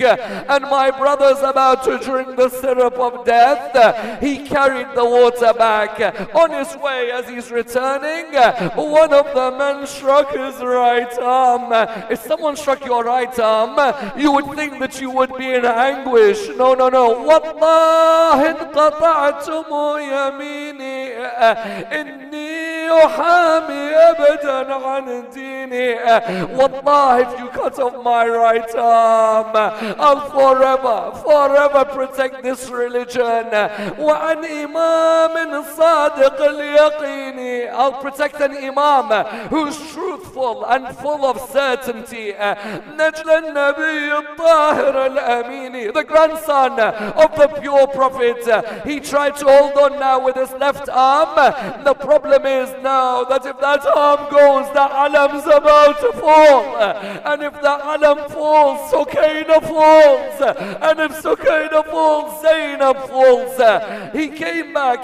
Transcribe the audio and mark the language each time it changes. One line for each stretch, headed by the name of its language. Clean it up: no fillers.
English: And my brother's about to drink the syrup of death. He carried the water back. On his way, as he's returning, one of the men struck his right arm. If someone struck your right arm, you would think that you would be in anguish. No, no, no.
Arabic: والله انقطعتم يميني إني أحامي أبدا عن ديني.
English: والله, if you cut off my right arm, I'll forever protect this religion.
Arabic: وعن إمام صادق اليقين.
English: I'll protect an imam who's truthful and full of certainty.
Arabic: نجل النبي الطاهر الأمين.
English: The grandson of the pure prophet. He tried to hold on now with his left arm. The problem is now that if that arm goes, the alam's about to fall. And if the alam falls, Sukaina falls. And if Sukaina falls, Zainab falls. He came back.